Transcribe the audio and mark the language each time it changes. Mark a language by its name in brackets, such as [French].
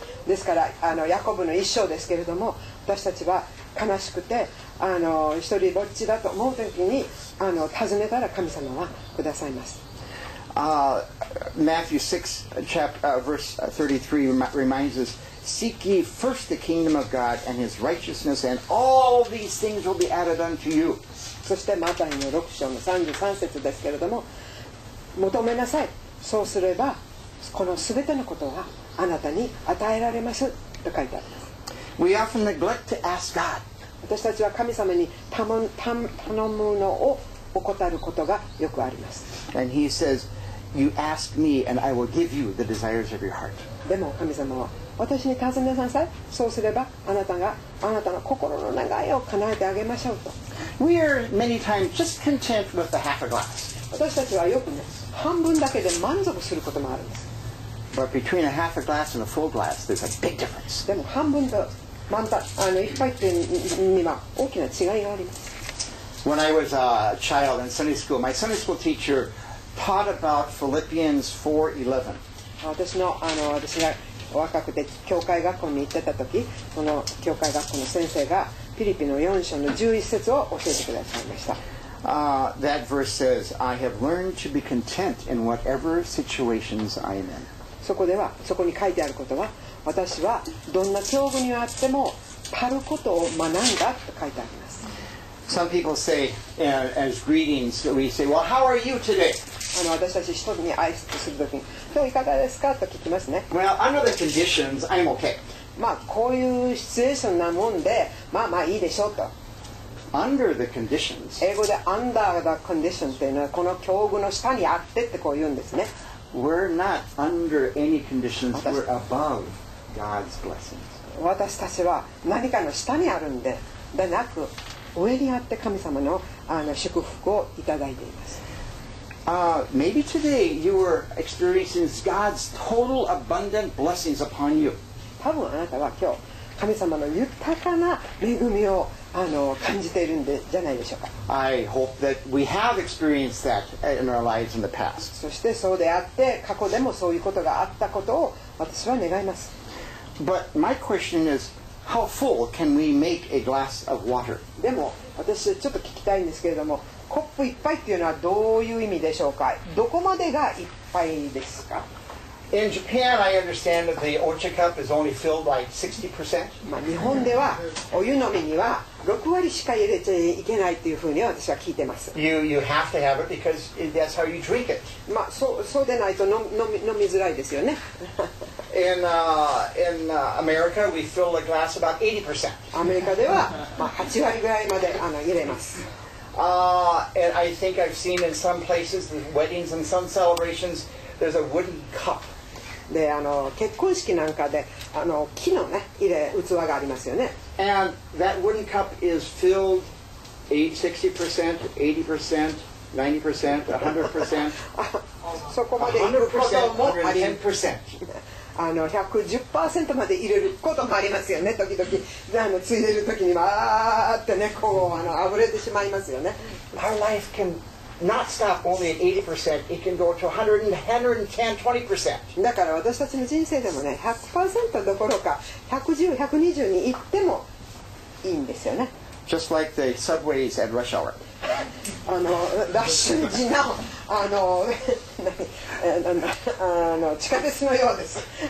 [Japanese] ですから、あの、ヤコブの一章ですけれども、私たちは悲しくて、あの、一人ぼっちだと思うときに、あの、尋ねたら神様はくださいます。 [English] Matthew 6, verse 33 reminds us,Seek ye first the kingdom of God and his righteousness, and all these things will be added unto you. [Japanese] そしてマタイの6章の33節ですけれども、求めなさい。そうすれば、このすべてのことはあなたに与えられますと書いてあります。 [English] We often neglect to ask God. [Japanese] 私たちは神様に頼むのを怠ることがよくあります。 [English] And he says, You ask me, and I will give you the desires of your heart. [Japanese] でも神様は私に尋ねなさい。そうすればあなたの心の願いを叶えてあげましょうと。 [English] We are many times just content with the half a glass. [Japanese] 私たちはよくね、半分だけで満足することもあるんです。 [English] But between a half a glass and a full glass, there's a big difference. [Japanese] でも半分と満タン、あの、いっぱいっていうには大きな違いがあります。 [English] When I was a child in Sunday school, my Sunday school teacher taught about Philippians 4:11. [Japanese] 私が若くて教会学校に行ってた時、その教会学校の先生がフィリピの4章の11節を教えてくださいました。 [English] That verse says, I have learned to be content in whatever situations I am in. [Japanese] そこに書いてあることは、私はどんな境遇にあっても足ることを学んだと書いてあります。 [English] Some people say, as greetings, we say, well, how are you today? [Japanese] 私たち一人に挨拶するときに、今日いかがですかと聞きますね。 [English] Well, under the conditions, I'm okay. [Japanese] まあ、こういうシチュエーションなもんで、まあまあいいでしょうと。 [English] Under the conditions. [Japanese] 英語で [English] under the conditions [Japanese] というのは、この境遇の下にあってってこう言うんですね。 [English] We're not under any conditions, we're above God's blessings. [Japanese] 私たちは何かの下にあるんで、でなく、上にあって神様の、あの祝福をいただいています。 [English] Maybe today you are experiencing God's total abundant blessings upon you. [Japanese] 多分あなたは今日神様の豊かな恵みを感じているんじゃないでしょうか。 [English] I hope that we have experienced that in our lives in the past. [Japanese] そしてそうであって過去でもそういうことがあったことを私は願います。 [English] But my question is, how full can we make a glass of water? [Japanese] でも私ちょっと聞きたいんですけれども、コップいっぱいっていうのはどういう意味でしょうか。どこまでがいっぱいですか。 [English] In Japan, I understand that the ocha cup is only filled like 60%. [Japanese] まあ日本ではお湯飲みには6割しか入れていけないというふうに私は聞いてます。 You have to have it because that's how you drink it. まあそうでないと飲みづらいですよね。 [English] In America, we fill a glass about 80%. [Japanese] アメリカではまあ8割ぐらいまで入れます。 [English] And I think I've seen in some places, the weddings and some celebrations, there's a wooden cup. [Japanese] で、あの、結婚式なんかで、あの、木のね、入れ、器がありますよね。 [English] And that wooden cup is filled 60%, 80%, 90%, 100%. [Japanese] そこまで入れることもあり、110%。あの、110% まで入れることもありますよね、時々。で、あの、ついでる時に、わーってね、こう、あの、あぶれてしまいますよね。 [English] Our life can not stop only at 80%, it can go to 110, 120%. [Japanese] だから私たちの人生でもね、100% どころか、110、120に行ってもいいんですよね。 [English] Just like the subways at rush hour. [Japanese] あの、ラッシュ時の、あの、地下鉄のようです。